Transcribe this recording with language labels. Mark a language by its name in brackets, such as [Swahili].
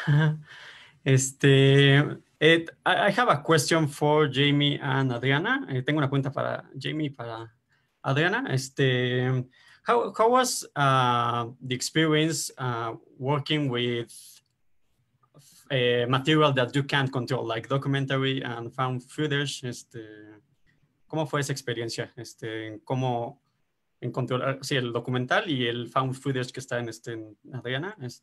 [English] I have a question for Jamie and Adriana. [Spanish] Tengo una pregunta para Jamie y para Adriana. [English] How was the experience working with a material that you can't control, like documentary and found footage? [Spanish] ¿Cómo fue esa experiencia? ¿Cómo encontró sí, el documental y el found footage que está en Adriana?